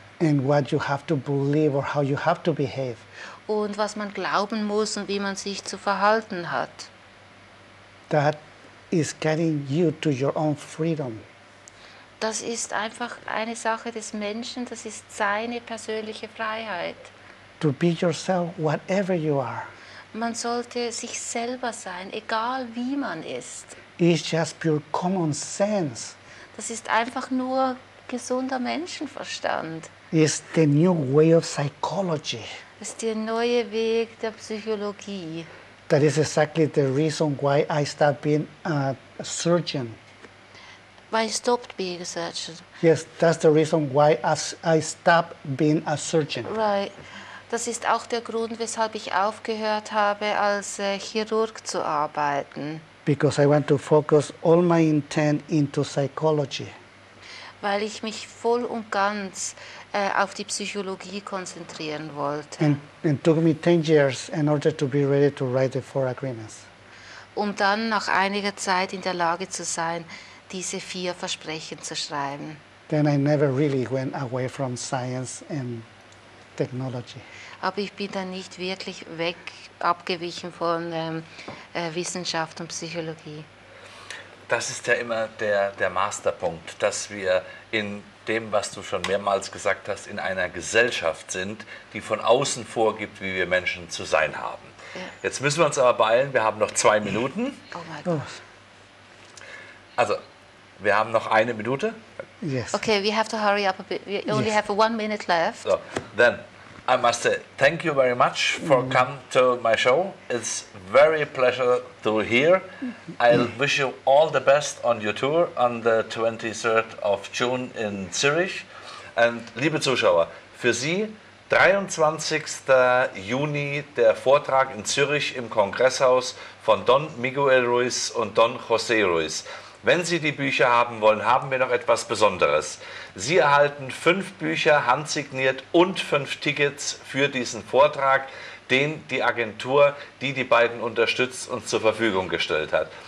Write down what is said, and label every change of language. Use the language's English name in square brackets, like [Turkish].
[English] And what you have to believe or how you have to behave. [German] Und was man glauben muss und wie man sich zu verhalten hat. [English] That is getting you to your own freedom. [German] Das ist einfach eine Sache des Menschen, das ist seine persönliche Freiheit. [English] To be yourself, whatever you are. [German] Man sollte sich selber sein, egal wie man ist. [English] It's just pure common sense. [German] Das ist einfach nur gesunder Menschenverstand. [English] It's the new way of psychology. [German] Das ist der neue Weg der Psychologie. [English] That is exactly the reason why I start being a surgeon. Why I stopped being a surgeon? Yes, that's the reason why I stopped being a surgeon. Right. [German] Das ist auch der Grund, weshalb ich aufgehört habe, als Chirurg zu arbeiten. [English] Because I want to focus all my intent into psychology. [German] Weil ich mich voll und ganz auf die Psychologie konzentrieren wollte. [English] And took me 10 years in order to be ready to write the 4 agreements. [German] Um dann nach einiger Zeit in der Lage zu sein, diese 4 Versprechen zu schreiben. [English] Then I never really went away from science and technology. [German] Aber ich bin dann nicht wirklich weg abgewichen von Wissenschaft und Psychologie. Das ist ja immer der Masterpunkt, dass wir in dem, was du schon mehrmals gesagt hast, in einer Gesellschaft sind, die von außen vorgibt, wie wir Menschen zu sein haben. Ja. Jetzt müssen wir uns aber beeilen, wir haben noch 2 Minuten. Oh mein Gott. Also, wir haben noch 1 Minute. [English] Yes. Okay, we have to hurry up a bit. We only have 1 minute left. So, then, I must say, thank you very much for coming to my show. It's very pleasure to hear. I wish you all the best on your tour on the 23rd of June in Zürich. [German] And liebe Zuschauer, für Sie, 23. Juni, der Vortrag in Zürich im Kongresshaus von Don Miguel Ruiz und Don José Ruiz. Wenn Sie die Bücher haben wollen, haben wir noch etwas Besonderes. Sie erhalten 5 Bücher handsigniert und 5 Tickets für diesen Vortrag, den die Agentur, die die beiden unterstützt, uns zur Verfügung gestellt hat.